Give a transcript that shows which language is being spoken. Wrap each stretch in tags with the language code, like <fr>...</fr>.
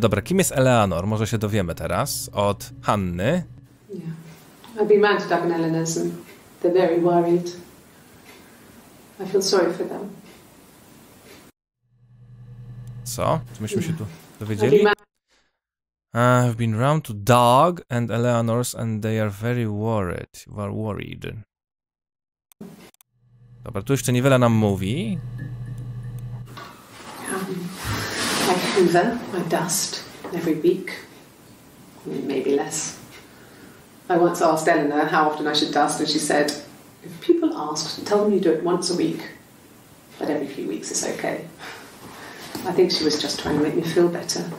<pl>Dobra, kim jest Eleanor? Może się dowiemy teraz od Hanny.</pl> <en>Yeah. I'd be mad to Doug and Eleanor's. They're very worried. I feel sorry for them.</en> <pl>Co? Czy myśmy się tu dowiedzieli?</pl> <en>I've been round to Dog and Eleanor's and they are very worried. Were worried.</en> <pl>Dobra, tu jeszcze niewiele nam mówi.</pl> <en>I hoover my dust every week. Maybe less. I once asked Eleanor how often I should dust and she said, if people ask, tell them you do it once a week. But every few weeks it's okay. I think she was just trying to make me feel better.</en>